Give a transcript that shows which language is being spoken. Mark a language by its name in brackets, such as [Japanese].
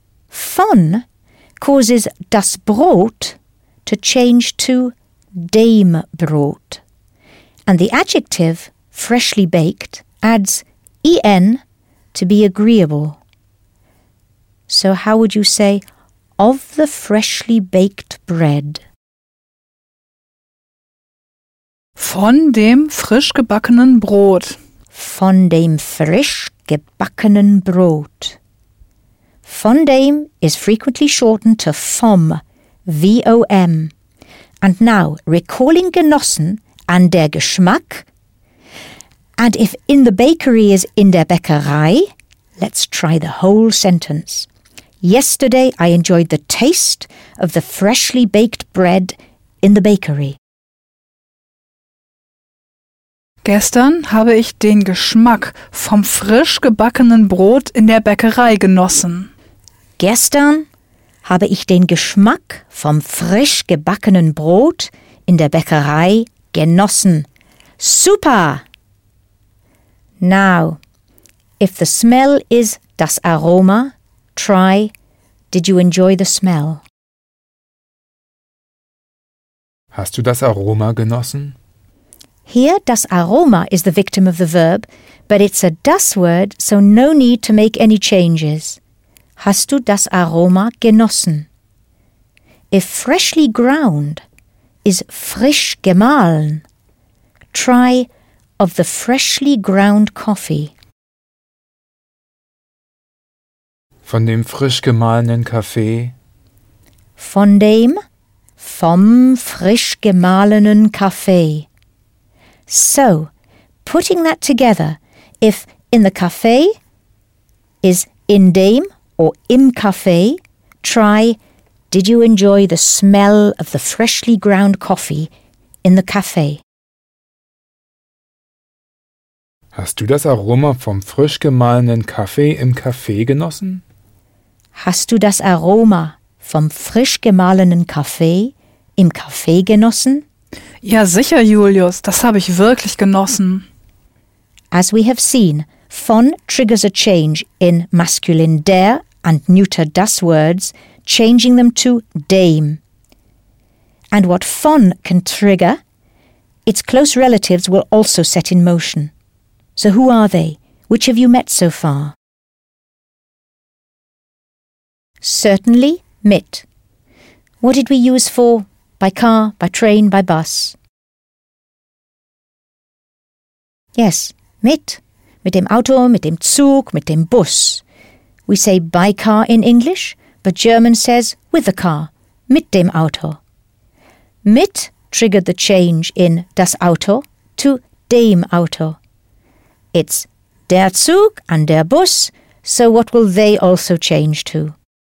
[English] Von causes das Brot to change to dem Brot. And the adjective, freshly baked, adds en to be agreeable. So how would you say, of the freshly baked bread? [German] Von dem frisch gebackenen Brot. Von dem frisch gebackenen Brot. [English] Von dem is frequently shortened to vom, V-O-M. And now, recalling Genossen and der Geschmack. And if in the bakery is in der Bäckerei, let's try the whole sentence. Yesterday I enjoyed the taste of the freshly baked bread in the bakery. [German] Gestern habe ich den Geschmack vom frisch gebackenen Brot in der Bäckerei genossen. Gestern habe ich den Geschmack vom frisch gebackenen Brot in der Bäckerei genossen. Super! [English] Now, if the smell is das Aroma, try, did you enjoy the smell? [German] Hast du das Aroma genossen? [English] Here, das Aroma is the victim of the verb, but it's a das word, so no need to make any changes. [German] Hast du das Aroma genossen? [English] If freshly ground is frisch gemahlen, try of the freshly ground coffee. [German] Von dem frisch gemahlenen Kaffee. Von dem vom frisch gemahlenen Kaffee. [English] So, putting that together, if in the café is in dem or im café, try, did you enjoy the smell of the freshly ground coffee in the café? [German] Hast du das Aroma vom frisch gemahlenen Kaffee im Café genossen? Hast du das Aroma vom frisch gemahlenen Kaffee im Café genossen? Ja, sicher, Julius, das habe ich wirklich genossen. [English] As we have seen, von triggers a change in masculine der and neuter das words, changing them to dem. And what von can trigger, its close relatives will also set in motion. So who are they? Which have you met so far? Certainly, mit. What did we use for by car, by train, by bus? [German] Yes, mit dem Auto, mit dem Zug, mit dem Bus. [English] We say by car in English, but German says with the car, mit dem Auto. Mit triggered the change in das Auto to dem Auto. It's der Zug and der Bus, so what will they also change to?